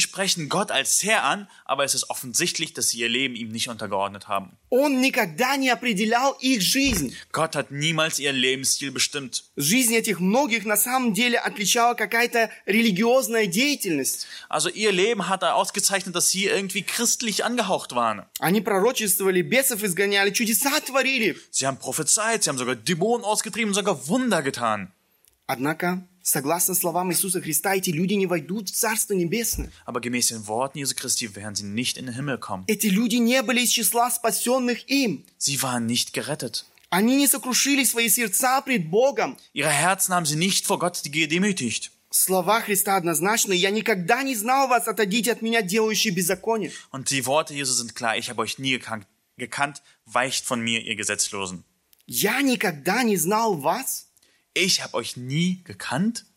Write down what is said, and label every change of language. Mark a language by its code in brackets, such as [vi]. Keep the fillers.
[de] sprechen Gott als Herr an, aber es ist offensichtlich, dass sie ihr Leben ihm nicht untergeordnet haben. [ru] Он никогда не определял их жизнь. [de] Gott hat niemals ihren Lebensstil bestimmt. [ru] Жизнь этих многих на самом деле отличала какая-то религиозная деятельность. [de] Also ihr Leben hat er ausgezeichnet, dass sie irgendwie christlich angehaucht waren. [ru] Они пророчествовали, бесов изгоняли, чудеса творили. [de] Sie haben prophezeit, sie haben sogar Dämonen ausgetrieben, sogar Wunder Wunder getan. [ru] Однако, согласно словам Иисуса Христа, эти люди не войдут в Царство Небесное. [de] Aber gemäß den Worten Jesu Christi, werden den [ru] Эти люди не были из числа спасенных им. [de] Sie waren nicht gerettet. [ru] Они не сокрушили свои сердца пред Богом. [de] Ihre Herzen haben sie nicht vor Gott gedemütigt. [ru] Слова Христа однозначны. Я никогда не знал вас, отойдите от меня, делающие беззаконие. [de] Und die Worte Jesu sind klar. Ich habe euch nie gekannt. Weicht von mir, ihr Gesetzlosen. [ru] Я никогда не знал вас [de] ich habe euch nie gekannt?